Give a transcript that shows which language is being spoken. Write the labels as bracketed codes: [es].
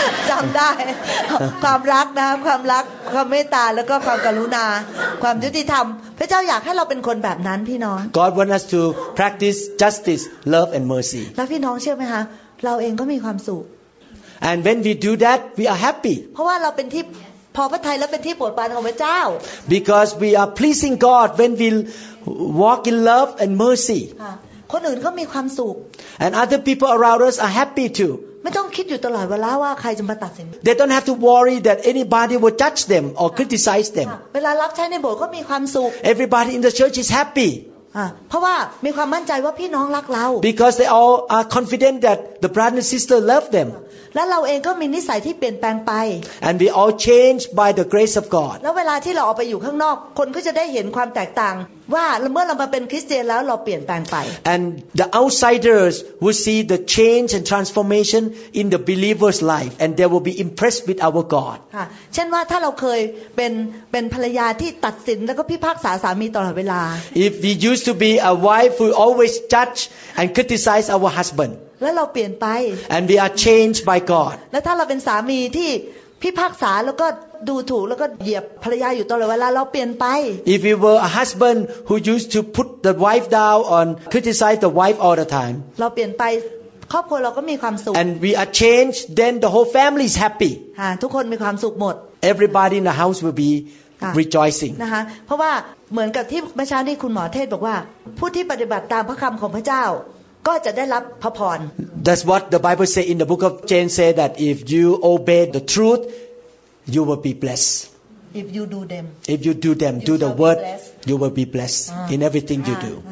[th] จำได้ความรักนะความรักความเมตตาแล้วก็ความกรุณาความยุติธรรมพระเจ้าอยากให้เราเป็นคนแบบนั้นพี่น้อง [en] God want us to practice justice love and mercy [th] แล้วพี่น้องเชื่อไหมคะเราเองก็มีความสุข [en] And when we do that we are happy [th] เพราะว่าเราเป็นที่พอพระทัยและเป็นที่โปรดปรานของพระเจ้า [en] Because we are pleasing God when we walk in love and mercy [th] คนอื่นก็มีความสุข [en] And other people around us are happy too [th] ไม่ต้องคิดอยู่ตลอดเวลาว่าใครจะมาตัดสิน [en] They don't have to worry that anybody will judge them or criticize them [th] เวลารับใช้ในโบสถ์ก็มีความสุข [en] Everybody in the church is happy [th] เพราะว่ามีความมั่นใจว่าพี่น้องรักเรา [en] Because they all are confident that the brother and sister love them [th] และเราเองก็มีนิสัยที่เปลี่ยนแปลงไป [en] And we all change by the grace of God [th] แล้วเวลาที่เราออกไปอยู่ข้างนอกคนก็จะได้เห็นความแตกต่างว่าเมื่อเรามาเป็นคริสเตียนแล้วเราเปลี่ยนแปลงไป [en] And the outsiders will see the change and transformation in the believer's life and they will be impressed with our God [th] เช่นว่าถ้าเราเคยเป็นภรรยาที่ตัดสินแล้วก็พิพากษาสามีตลอดเวลา [en] If we used to be a wife who always judge and criticize our husband [th] แล้วเราเปลี่ยนไป [en] And we are changed by God [th] แล้วถ้าเราเป็นสามีที่พิพากษาแล้วก็ดูถูกแล้วก็เหยียบภรรยาอยู่ตลอดเวลาเราเปลี่ยนไป [en] If we were a husband who used to put the wife down on criticize the wife all the time [th] เราเปลี่ยนไปครอบครัวเราก็มีความสุข [en] And we are changed then the whole family is happy [th] ทุกคนมีความสุขหมด [en] Everybody in the house will be rejoicing [th] นะคะเพราะว่าเหมือนกับที่เมื่อเช้านี้คุณหมอเทศบอกว่าผู้ที่ปฏิบัติตามพระคำของพระเจ้าก็จะได้รับพระพร [en] That's what the Bible say in the book of James say that if you obey the truth you will be blessed if you do them do the word you will be blessed in everything you do